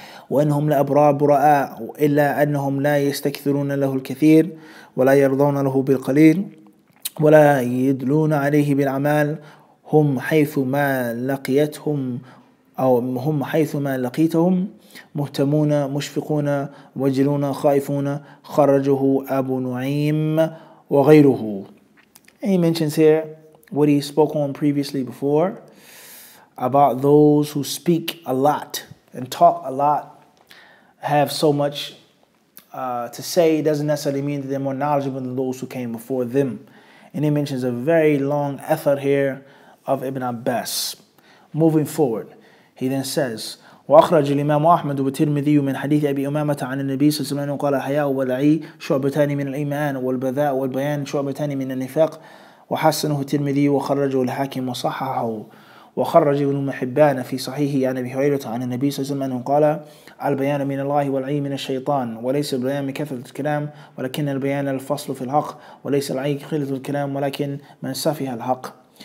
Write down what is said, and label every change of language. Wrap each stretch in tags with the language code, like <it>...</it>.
<ar>وإنهم لأبرار براء إلا أنهم لا يستكثرون له الكثير ولا يرضون له بالقليل ولا يدلون عليه بالأعمال هم حيث ما لقيتهم أو هم حيثما لقيتهم مهتمون مشفقون وجلون خائفون خرجه أبو نعيم وغيره.</ar> <en>He mentions here what he spoke on previously before about those who speak a lot and talk a lot, have so much to say. It doesn't necessarily mean that they're more knowledgeable than those who came before them. And he mentions a very long ether here of Ibn Abbas. Moving forward, he then says,</en> <ar>وأخرج الإمام أحمد والترمذي من حديث أبي أمامة عن النبي صلى الله عليه وسلم قال حياء والعي شعبتان من الإيمان والبذاء والبيان شعبتان من النفاق وحسنه الترمذي وخرجه الحاكم وصححه وخرج ابن حبان في صحيحه عن أبي هريرة عن النبي صلى الله عليه وسلم قال البيان من الله والعي من الشيطان وليس البيان بكثرة الكلام ولكن البيان الفصل في الحق وليس العي قلة الكلام ولكن من سفه الحق.</ar>